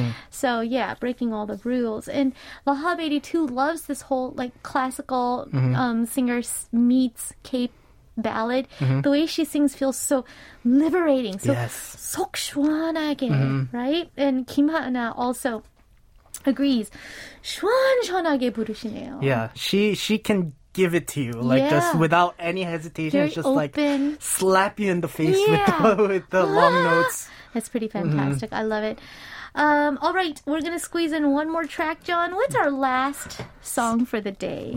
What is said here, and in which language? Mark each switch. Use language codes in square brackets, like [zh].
[en] So, yeah, breaking all the rules. And Lahab 82 loves this whole, like, classical singer meets cape ballad. The way she sings feels so liberating. So, [ko] sok shuanage, [en] right? And Kim Ha-na also agrees. [ko] 시원시원하게 부르시네요. [en] Yeah, she can give it to you, like, just without any hesitation. Very just open. Like slap you in the face with the long notes. That's pretty fantastic. I love it. All right, we're gonna squeeze in one more track, John. What's our last song for the day?